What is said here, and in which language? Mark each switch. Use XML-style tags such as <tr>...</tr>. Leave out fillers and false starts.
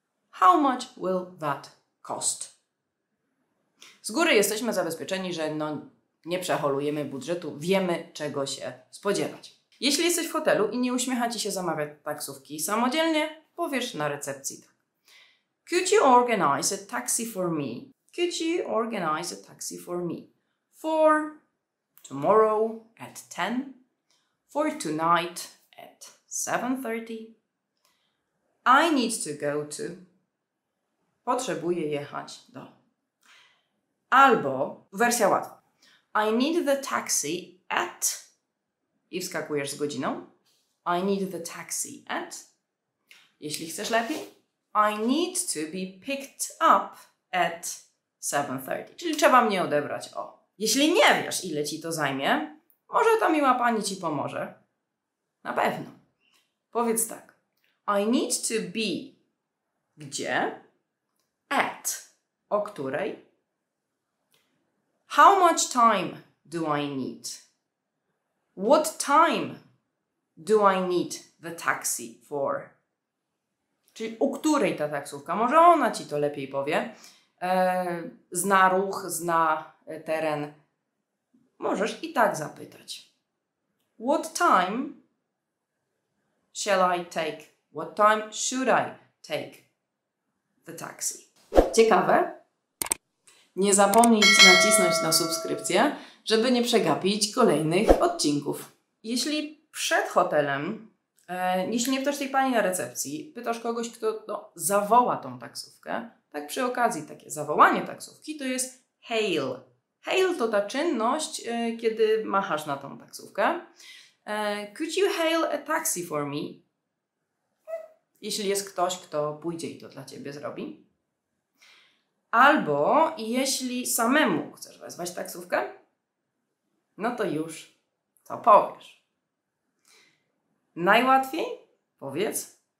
<en>How much will that cost?</en> <pl>Z góry jesteśmy zabezpieczeni, że no... Nie przeholujemy budżetu, wiemy, czego się spodziewać. Jeśli jesteś w hotelu i nie uśmiecha Ci się zamawiać taksówki samodzielnie, powiesz na recepcji tak.</pl> <en>Could you organize a taxi for me? Could you organize a taxi for me? For tomorrow at 10. For tonight at 7:30. I need to go to...</en> <pl>Potrzebuję jechać do... Albo wersja łatwa.</pl> <en>I need the taxi at...</en> <pl>I wskakujesz z godziną.</pl> <en>I need the taxi at...</en> <pl>Jeśli chcesz lepiej.</pl> <en>I need to be picked up at 7:30.</en> <pl>Czyli trzeba mnie odebrać o... Jeśli nie wiesz, ile Ci to zajmie, może ta miła pani Ci pomoże. Na pewno. Powiedz tak.</pl> <en>I need to be...</en> <pl>Gdzie? At... O której...</pl> <en>How much time do I need? What time do I need the taxi for?</en> <pl>Czyli o której ta taksówka? Może ona Ci to lepiej powie. Zna ruch, zna teren. Możesz i tak zapytać.</pl> <en>What time shall I take? What time should I take the taxi?</en> <pl>Ciekawe. Nie zapomnij nacisnąć na subskrypcję, żeby nie przegapić kolejnych odcinków. Jeśli przed hotelem, jeśli nie pytasz tej pani na recepcji, pytasz kogoś, kto no, zawoła tą taksówkę, tak przy okazji takie zawołanie taksówki to jest hail. Hail to ta czynność, kiedy machasz na tą taksówkę.</pl> <en>Could you hail a taxi for me?</en> <pl>Jeśli jest ktoś, kto pójdzie i to dla ciebie zrobi. Albo jeśli samemu chcesz wezwać taksówkę, no to już co powiesz. Najłatwiej powiedz</pl>